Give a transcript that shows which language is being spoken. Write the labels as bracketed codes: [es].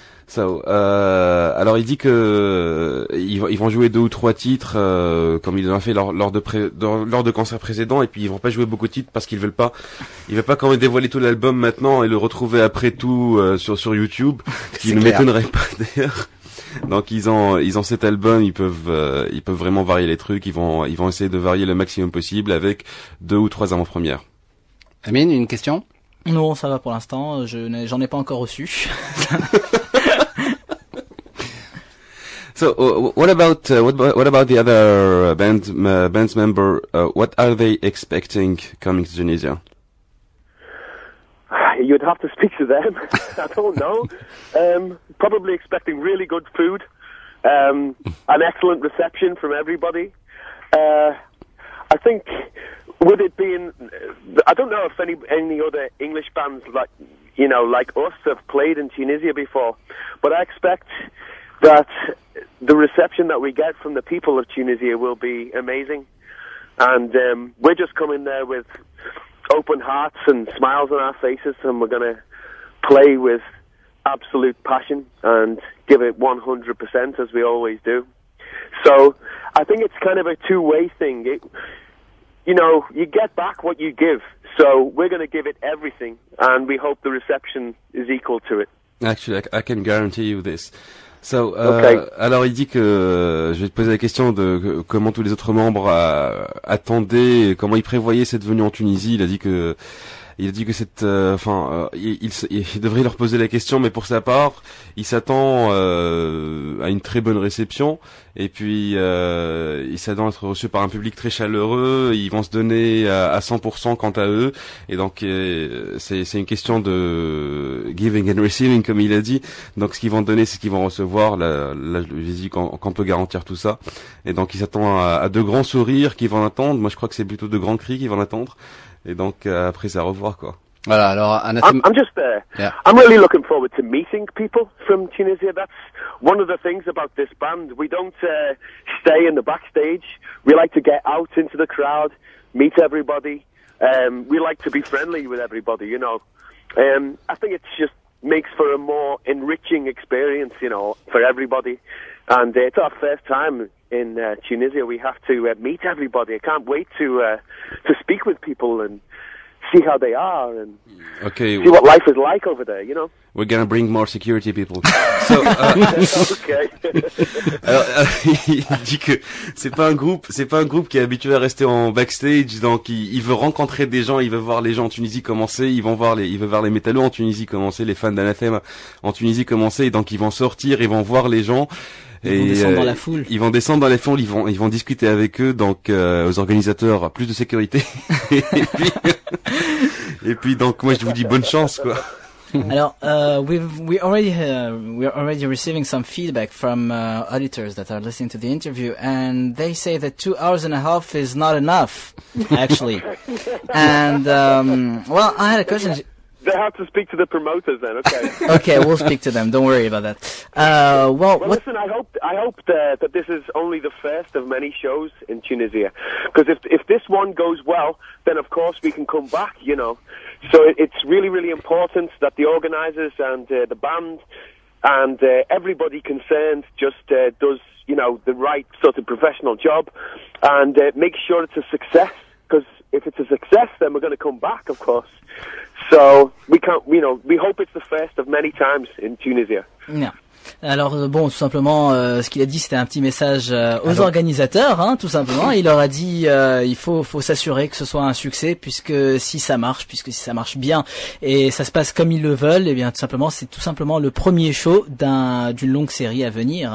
[fr] So, alors il dit que ils vont jouer 2 ou 3 titres comme ils l'ont fait lors de concerts précédents, et puis ils vont pas jouer beaucoup de titres parce qu'ils veulent pas, ils veulent pas quand même dévoiler tout l'album maintenant et le retrouver après tout sur YouTube, qui ne m'étonnerait pas d'ailleurs. Donc ils ont cet album, ils peuvent vraiment varier les trucs, ils vont essayer de varier le maximum possible avec 2 ou 3 avant-premières. Amine, une question? Non, ça va pour l'instant, j'en ai pas encore reçu. [en] So what about the other band's member, what are they expecting coming to Tunisia? You'd have to speak to them. I don't know. Probably expecting really good food, an excellent reception from everybody. I think with it being, I don't know if any other English bands like us have played in Tunisia before, but I expect that the reception that we get from the people of Tunisia will be amazing. And we're just coming there with open hearts and smiles on our faces, and we're going to play with absolute passion and give it 100% as we always do. So I think it's kind of a two-way thing. You get back what you give, so we're going to give it everything, and we hope the reception is equal to it. Actually, I can guarantee you this. So, okay. [fr] Alors il dit que je vais te poser la question de comment tous les autres membres attendaient, comment ils prévoyaient cette venue en Tunisie. Il a dit que cette, enfin, il devrait leur poser la question, mais pour sa part, il s'attend à une très bonne réception. Et puis, il s'attend à être reçu par un public très chaleureux. Ils vont se donner à 100% quant à eux. Et donc, c'est une question de [en] giving and receiving, [fr] comme il a dit. Donc, ce qu'ils vont donner, c'est ce qu'ils vont recevoir. Là, je dis qu'on peut garantir tout ça. Et donc, il s'attend à de grands sourires qu'ils vont attendre. Moi, je crois que c'est plutôt de grands cris qu'ils vont attendre. Et donc, après, c'est à revoir, quoi. Voilà, alors [en] I'm just there. Yeah. I'm really looking forward to meeting people from Tunisia. That's one of the things about this band. We don't stay in the backstage. We like to get out into the crowd, meet everybody. We like to be friendly with everybody, you know. I think it just makes for a more enriching experience, you know, for everybody. And it's our first time in Tunisia. We have to meet everybody. I can't wait to speak with people and see how they are and see what life is like over there, you know. We're going to bring more security people. [fr] So, alors, il dit que c'est pas un groupe qui est habitué à rester en backstage, donc il veut rencontrer des gens, il veut voir les gens en Tunisie commencer, il veut voir les métallos en Tunisie commencer, les fans d'Anathème en Tunisie commencer, et donc ils vont sortir, ils vont voir les gens. Ils vont descendre dans la foule, ils vont discuter avec eux, donc aux organisateurs, plus de sécurité. et puis donc moi je vous dis bonne chance quoi. [en] Alors we're already receiving some feedback from auditors that are listening to the interview, and they say that 2.5 hours is not enough actually. And well, I had a question. They have to speak to the promoters then. Okay. Okay, we'll speak to them. Don't worry about that. Listen, I hope that this is only the first of many shows in Tunisia, because if this one goes well, then of course we can come back, you know. So it's really, really important that the organizers and the band and everybody concerned just does, you know, the right sort of professional job and make sure it's a success. Because if it's a success, then we're going to come back, of course. So we can't, you know, we hope it's the first of many times in Tunisia. Yeah. [fr] Alors bon, tout simplement, ce qu'il a dit, c'était un petit message aux organisateurs, hein, tout simplement. Il leur a dit, il faut s'assurer que ce soit un succès, puisque si ça marche bien, et ça se passe comme ils le veulent, eh bien tout simplement, c'est tout simplement le premier show d'une longue série à venir.